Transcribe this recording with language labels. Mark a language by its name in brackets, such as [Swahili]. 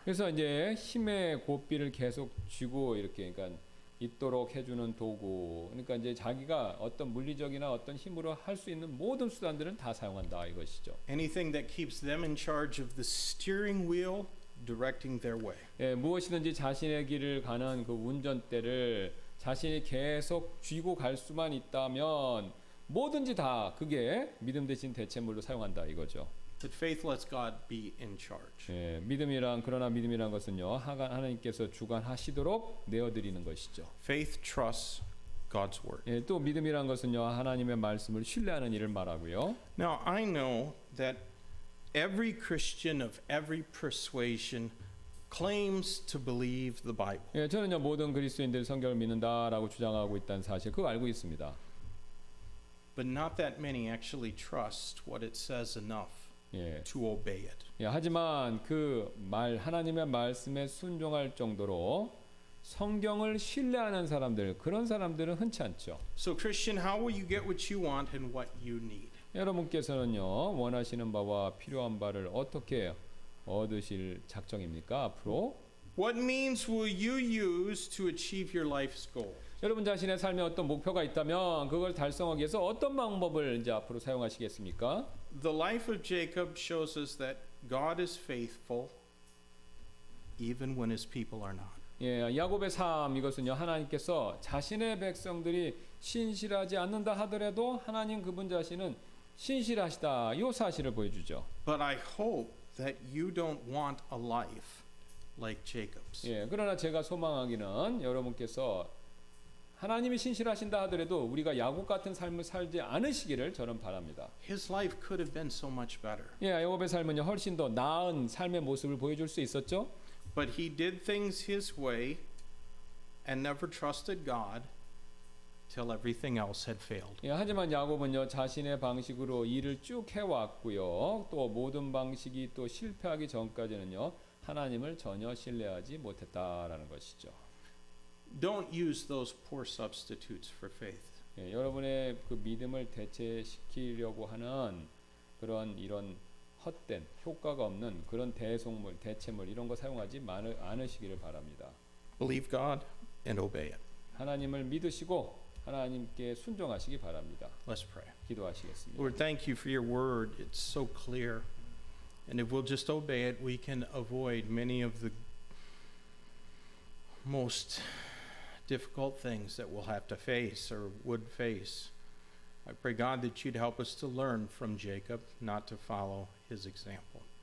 [Korean] 그래서 이제 힘의 고삐를 계속 쥐고 이렇게 그러니까 있도록 해주는 도구. 그러니까 이제 자기가 어떤 물리적이나 어떤 힘으로 할 수 있는 모든 수단들은 다 사용한다 이것이죠. [English] Anything that keeps them in charge of the steering wheel, directing their way. [Korean] 예, 무엇이든지 자신의 길을 가는 그 운전대를 자신이 계속 쥐고 갈 수만 있다면 뭐든지 다 그게 믿음 대신 대체물로 사용한다 이거죠. [English] But faith lets God be in charge. [Korean] 예, 믿음이란 그러나 믿음이란 것은요 하나님께서 주관하시도록 내어드리는 것이죠. [English] Faith trusts God's word. [Korean] 예, 또 믿음이란 것은요 하나님의 말씀을 신뢰하는 일을 말하고요. [English] Now I know that every Christian of every persuasion claims to believe the Bible. [Korean] 예, 저는요 모든 그리스도인들이 성경을 믿는다라고 주장하고 있다는 사실 그거 알고 있습니다. [English] But not that many actually trust what it says enough. [Korean] 예. [English] To obey it. [Korean] 예, 하지만 그 말 하나님의 말씀에 순종할 정도로 성경을 신뢰하는 사람들 그런 사람들은 흔치 않죠. [English] So Christian, how will you get what you want and what you need? [Korean] 여러분께서는요 원하시는 바와 필요한 바를 어떻게 얻으실 작정입니까 앞으로? [English] What means will you use to achieve your life's goal? [Korean] 여러분 자신의 삶에 어떤 목표가 있다면 그걸 달성하기 위해서 어떤 방법을 이제 앞으로 사용하시겠습니까? [English] The life of Jacob shows us that God is faithful even when his people are not. [Korean] 예, 야곱의 삶 이것은요 하나님께서 자신의 백성들이 신실하지 않는다 하더라도 하나님 그분 자신은 신실하시다 이 사실을 보여주죠. [English] But I hope that you don't want a life like Jacob's. [Korean] 예, 그러나 제가 소망하기는 여러분께서 하나님이 신실하신다 하더라도 우리가 야곱 같은 삶을 살지 않으시기를 저는 바랍니다. [English] His life could have been so much better. [Korean] 예, 야곱의 삶은 훨씬 더 나은 삶의 모습을 보여줄 수 있었죠. [English] But he did things his way and never trusted God till everything else had failed. [Korean] 예, 하지만 야곱은요 자신의 방식으로 일을 쭉 해왔고요 또 모든 방식이 또 실패하기 전까지는요 하나님을 전혀 신뢰하지 못했다라는 것이죠. [English] Don't use those poor substitutes for faith. [Korean] 예, 여러분의 그 믿음을 대체시키려고 하는 그런 이런 헛된 효과가 없는 그런 대속물, 대체물 이런 거 사용하지 않으시기를 바랍니다. [English] Believe God and obey it. [Korean] 하나님을 믿으시고 하나님께 순종하시기 바랍니다. [English] Let's pray. [Korean] 기도하시겠습니다. [English] Lord, thank you for your word. It's so clear. And if we'll just obey it, we can avoid many of the most difficult things that we'll have to face or would face. I pray, God, that you'd help us to learn from Jacob, not to follow his example.